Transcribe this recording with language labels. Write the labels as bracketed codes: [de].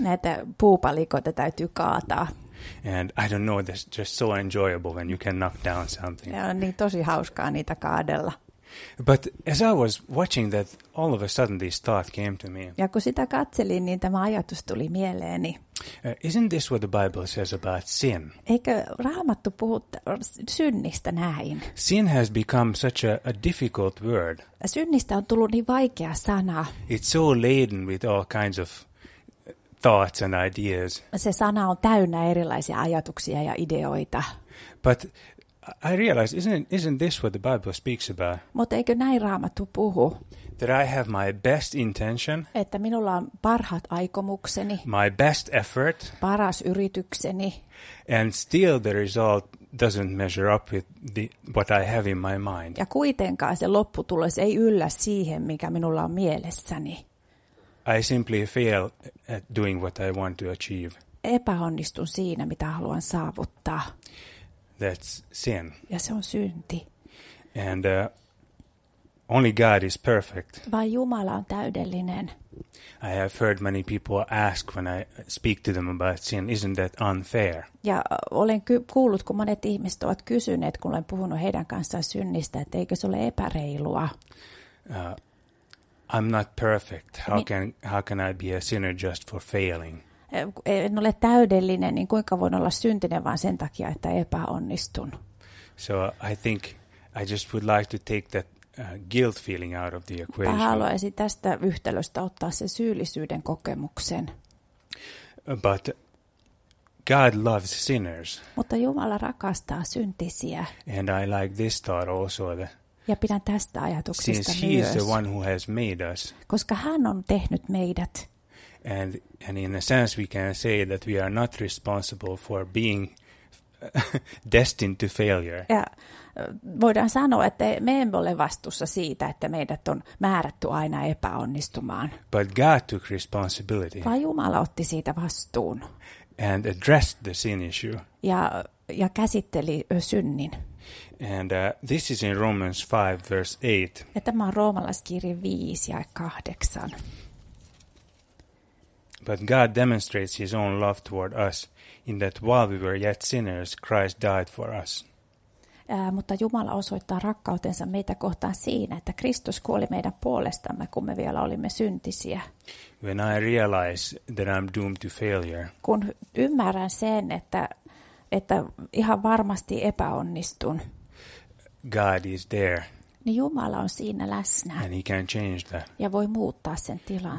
[fi] Näitä puupalikoita täytyy kaataa. [en] And I don't know, that's just so enjoyable when you can knock down something. [fi] Ja on niin tosi hauskaa niitä kaadella. [en] But as I was watching that, all of a sudden this thought came to me. [fi] Ja kun sitä katselin, niin tämä ajatus tuli mieleeni. [en] Isn't this what the Bible says about sin? [fi] Eikö Raamattu puhu synnistä näin? [en] Sin has become such a difficult word. [fi] Synnistä on tullut niin vaikea sana. [en] It's so laden with all kinds of thoughts and ideas. [fi] Se sana on täynnä erilaisia ajatuksia ja ideoita. [en] But I realize, isn't this what the Bible speaks about? [fi] Mutta eikö näin Raamattu puhu? [en] That I have my best intention. [fi] Että minulla on parhaat aikomukseni. [en] My best effort. [fi] Paras yritykseni. [en] And still the result doesn't measure up with what I have in my mind. [fi] Ja kuitenkaan se lopputulos ei yllä siihen, mikä minulla on mielessäni. [en] I simply fail at doing what I want to achieve. [fi] Epäonnistun siinä, mitä haluan saavuttaa. [en] That's sin. [fi] Ja se on synti. [en] And only God is perfect. [fi] Vain Jumala on täydellinen. [en] I have heard many people ask when I speak to them about sin, isn't that unfair? [fi] Ja olen kuullut, kun monet ihmiset ovat kysyneet, kun olen puhunut heidän kanssaan synnistä, että eikö se ole epäreilua. [en] I'm not perfect. How can I be a sinner just for failing? [fi] En ole täydellinen, niin kuinka voin olla syntinen vaan sen takia, että epäonnistun. [en] So I think I just would like to take that guilt feeling out of the equation. [fi] Haluaisin tästä yhtälöstä ottaa sen syyllisyyden kokemuksen. [en] But God loves sinners. [fi] Mutta Jumala rakastaa syntisiä. [en] And I like this thought also that [fi] ja pidän tästä ajatuksesta [en] since [fi] myös. [en] He is the one who has made us. [fi] Koska hän on tehnyt meidät. [en] And in a sense we can say that we are not responsible for being destined to failure. [fi] Ja voidaan sanoa, että me emme ole vastuussa siitä, että meidät on määrätty aina epäonnistumaan. [en] But God took responsibility. [fi] Vaan Jumala otti siitä vastuun. [en] And addressed the sin issue. [fi] Ja käsitteli synnin. [en] And this is in Romans 5 verse 8. [fi] Ja tämä on roomalaiskirje 5 ja 8. [en] But God demonstrates his own love toward us in that while we were yet sinners, Christ died for us. [fi] Mutta Jumala osoittaa rakkautensa meitä kohtaan siinä, että Kristus kuoli meidän puolestamme, kun me vielä olimme syntisiä. [en] When I realize that I'm doomed to failure. [fi] Kun ymmärrän sen, että ihan varmasti epäonnistun. [en] God is there. [fi] Niin Jumala on siinä läsnä. [en] And he can change that. [fi] Ja voi muuttaa sen tilanteen.